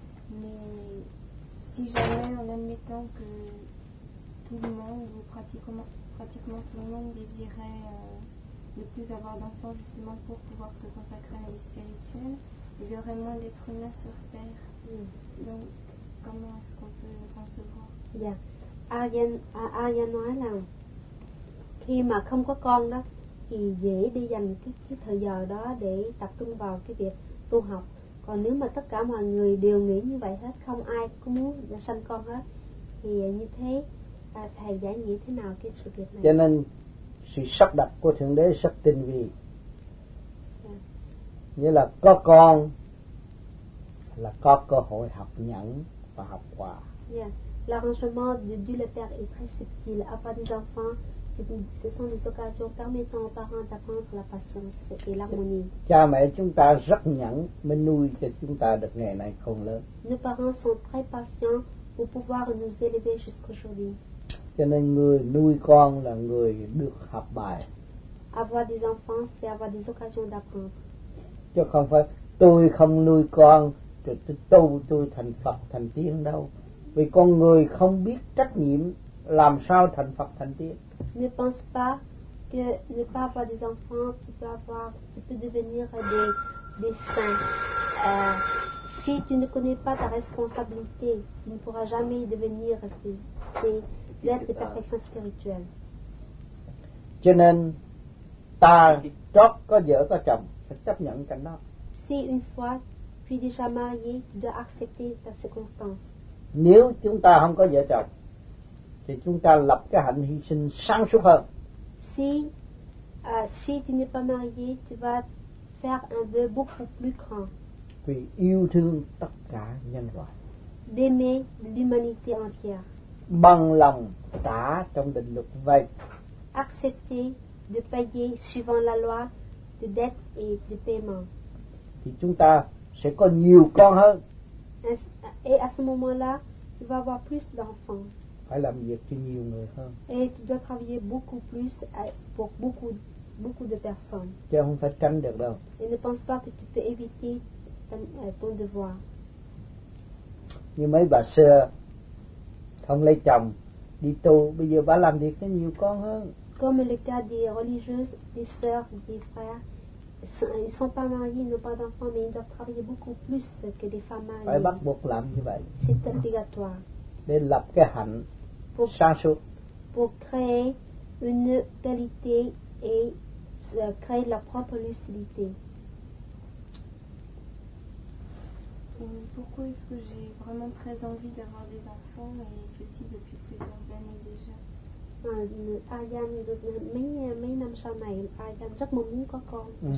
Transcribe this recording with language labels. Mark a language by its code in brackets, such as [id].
[fr] Mais si jamais, en admettant que tout le monde, ou pratiquement tout le monde désirait ne plus avoir d'enfants justement pour pouvoir se consacrer à la vie spirituelle, il y aurait moins d'êtres humains sur Terre. Mm. Donc, comment est-ce qu'on peut concevoir? Yeah. Ariane Noël, [vi] khi mà không có con đó thì dễ đi dành cái thời giờ đó để tập trung vào cái việc tu học. Còn nếu mà tất cả mọi người đều nghĩ như vậy hết, không ai cũng muốn sanh con hết, thì như thế thầy giải nghĩa thế nào cái sự việc này? Cho nên sự sắp đặt của Thượng Đế rất tinh vi. Nghĩa là có con là có cơ hội học nhẫn và học quả. [fr] L'arrangement de Dieu le Père est très subtil. Avoir des enfants, ce sont des occasions permettant aux parents d'apprendre la patience et l'harmonie. [vi] Cha mẹ chúng ta rất nhẫn mới nuôi cho chúng ta được ngày nay khôn lớn. [fr] Nos parents sont très patients pour pouvoir nous élever jusqu'aujourd'hui. [vi] Cho nên người nuôi con là người được học bài. [fr] Avoir des enfants, c'est avoir des occasions d'apprendre. [vi] Chứ không phải tôi không nuôi con rồi tôi thành Phật thành tiên đâu. Vì con người không biết trách nhiệm làm sao thành Phật thành tiên. [fr] Ne pense pas que ne pas avoir des enfants, tu peux devenir des saints. Si tu ne connais pas ta responsabilité, tu ne pourras jamais devenir ces êtres de perfection spirituelle. [vi] Cho nên ta trót có vợ có chồng phải chấp nhận cảnh đó. [fr] Si une fois tu es déjà marié, tu dois accepter ta circonstance. [vi] Nếu chúng ta không có vợ chồng thì chúng ta lập cái hạnh hy sinh sáng suốt hơn. [fr] Si tu n'es pas marié, tu vas faire un vœu beaucoup plus grand. [vi] Vì yêu thương tất cả nhân loại. [fr] D'aimer l'humanité entière. [vi] Bằng lòng trả trong định luật vay. [fr] Accepter de payer suivant la loi de dette et de paiement. [vi] Thì chúng ta sẽ có nhiều con hơn. [fr] Et à ce moment-là, tu vas avoir plus d'enfants. [vi] Phải làm việc cho nhiều người hơn. [fr] Et tu dois travailler beaucoup plus pour beaucoup de personnes. [vi] Chứ không phải tránh được đâu. [fr] Et ne pense pas que tu peux éviter ton devoir. [vi] Như mấy bà xưa không lấy chồng đi tu, bây giờ bà làm việc cho nhiều con hơn. [fr] Comme le cas des religieuses, des sœurs, des frères, ils sont pas mariés, ils n'ont pas d'enfants, mais ils doivent travailler beaucoup plus que des femmes mariées. [vi] Phải bắt buộc làm như vậy. [fr] C'est obligatoire. [vi] Để lập cái hạnh sáng suốt. [fr] Pour créer une qualité et créer la propre lucidité. Pourquoi est-ce que j'ai vraiment très envie d'avoir des enfants et ceci depuis plusieurs années déjà? [vi] Ayan được mấy năm sau này Ayan rất mong muốn có con.